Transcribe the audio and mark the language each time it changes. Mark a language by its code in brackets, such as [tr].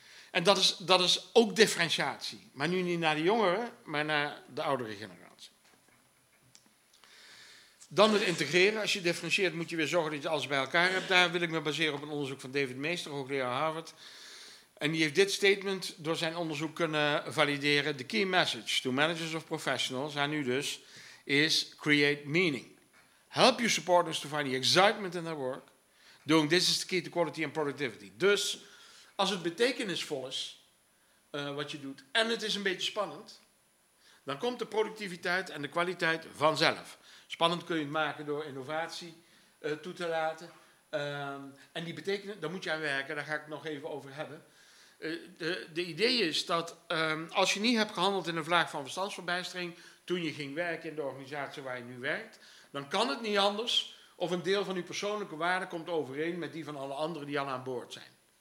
[nl] En dat is ook differentiatie. Maar nu niet naar de jongeren, maar naar de oudere generatie. Dan het integreren. Als je differentieert moet je weer zorgen dat je alles bij elkaar hebt. Daar wil ik me baseren op een onderzoek van David Meester, hoogleraar Harvard. En die heeft dit statement door zijn onderzoek kunnen valideren. [en] The key message to managers of professionals, [nl] aan u dus, [en] is create meaning. Help your supporters to find the excitement in their work. Doing this is the key to quality and productivity. [nl] Dus, als het betekenisvol is, wat je doet, en het is een beetje spannend, dan komt de productiviteit en de kwaliteit vanzelf. Spannend kun je het maken door innovatie toe te laten. En die betekenis, daar moet je aan werken, daar ga ik het nog even over hebben. De idee is dat als je niet hebt gehandeld in een vlaag van verstandsverbijstering, toen je ging werken in de organisatie waar je nu werkt, dan kan het niet anders of een deel van je persoonlijke waarde komt overeen met die van alle anderen die al aan boord zijn.